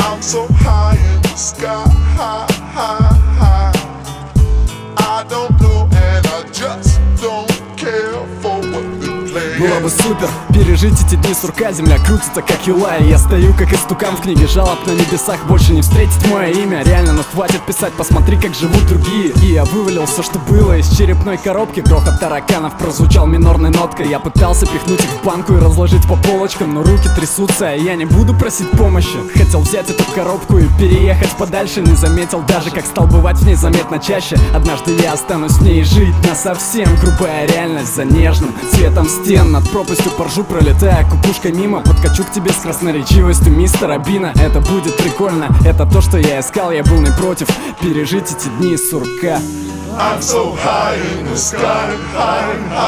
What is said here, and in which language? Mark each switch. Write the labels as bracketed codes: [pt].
[en] I'm so high in the sky, I don't know and I just don't care for what they're playing. [ru] Было бы супер пережить эти дни сурка. Земля крутится, как юла. И я стою, как истукан в книге жалоб на небесах. Больше не встретить мое имя. Реально, ну хватит писать. Посмотри, как живут другие. И я вывалил все, что было из черепной коробки. Грохот тараканов прозвучал минорной ноткой. Я пытался пихнуть их в банку и разложить по полочкам. Но руки трясутся, и я не буду просить помощи. Хотел взять эту коробку и переехать подальше. Не заметил даже, как стал бывать в ней заметно чаще. Однажды я останусь в ней жить насовсем. Грубая реальность за нежным цветом стены. Над пропастью поржу, пролетая кукушкой мимо. Подкачу к тебе с красноречивостью мистера Бина. Это будет прикольно, это то, что я искал. Я был не против пережить эти дни сурка. [en] I'm so high in the sky, high in the sky.